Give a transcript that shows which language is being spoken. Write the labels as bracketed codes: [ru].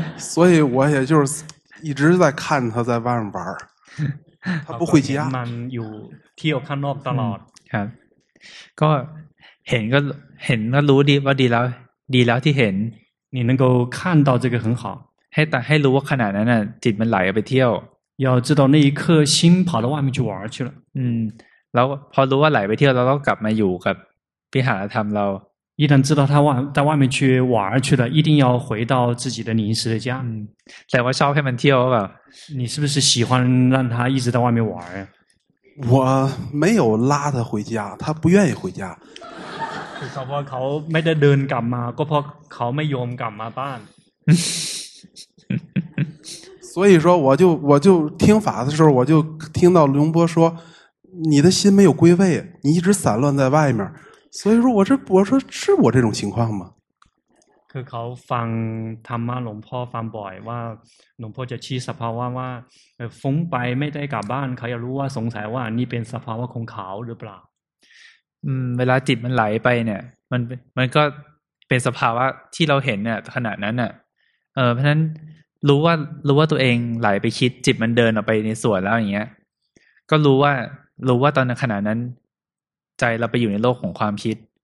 [zh] 所以我也就是一直在看他在外面玩他不回家 [th] มันอยู่เที่ยวข้างนอกตลอด ครับก็เห็นก็รู้ดีว่าดีแล้วที่เห็น นี่นั่นก็ขั้นตอนจะเกิดขึ้น ขอให้รู้ว่าขณะนั้นน่ะจิตมันไหลไปเที่ยว [zh] 要知道那一刻心跑到外面去玩去了 [th] แล้วพอรู้ว่าไหลไปเที่ยวแล้วก็กลับมาอยู่กับวิหารธรรมเรา [zh] 一旦知道他在外面去玩去了一定要回到自己的临时的家 [th] แต่ว่าชอบให้มันเที่ยวแบบ [zh] 你是不是喜欢让他一直在外面玩我没有拉他回家他不愿意回家 [th] เขาบอกเขาไม่ได้เดินกลับมาก็เพราะเขาไม่ยอมกลับมาบ้าน [zh] 所以说我就听法的时候我就听到龙波说你的心没有归位你一直散乱在外面所以说我说是我这种情况吗 [th] คือเขาฟังธรรมะหลวงพ่อฟังบ่อยว่าหลวงพ่อจะชี้สภาวะว่าฟุ้งไปไม่ได้กลับบ้านเขาอยากรู้ว่าสงสัยว่านี่เป็นสภาวะของเขาหรือเปล่า เวลาจิตมันไหลไปเนี่ยมันก็เป็นสภาวะที่เราเห็นเนี่ยขณะนั้นน่ะเพราะฉะนั้นรู้ว่าตัวเองไหลไปคิดจิตมันเดินออกไปในส่วนแล้วอย่างเงี้ยก็รู้ว่าตอนขณะนั้นใจเราไปอยู่ในโลกของความคิด